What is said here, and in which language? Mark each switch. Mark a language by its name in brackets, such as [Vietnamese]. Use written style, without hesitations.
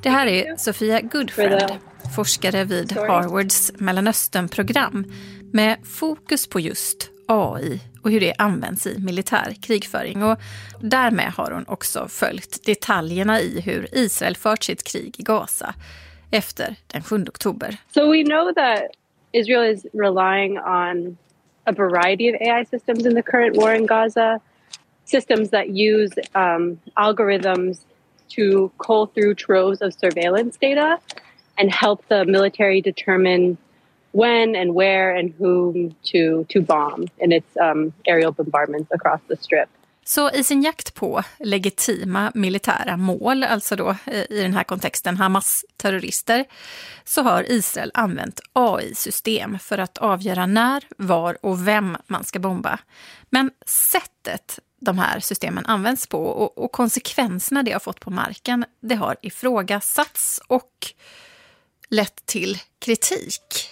[Swedish] Det här är Sofia Goodfriend, forskare vid Harvards Mellanöstern-program med fokus på just AI och hur det används i militär krigföring. Och därmed har hon också följt detaljerna i hur Israel fört sitt krig i Gaza efter den 7 oktober. [English] So we know that Israel is relying on a variety of AI systems in the current war in Gaza. Systems that use algorithms to cull through troves of surveillance data and help the military determine when and where and whom to bomb in its aerial bombardments across the strip. [Swedish] Så i sin jakt på legitima militära mål, alltså då i den här kontexten Hamas terrorister, så har Israel använt AI-system för att avgöra när, var och vem man ska bomba. Men sättet de här systemen används på och konsekvenserna det har fått på marken, det har ifrågasatts och lett till kritik.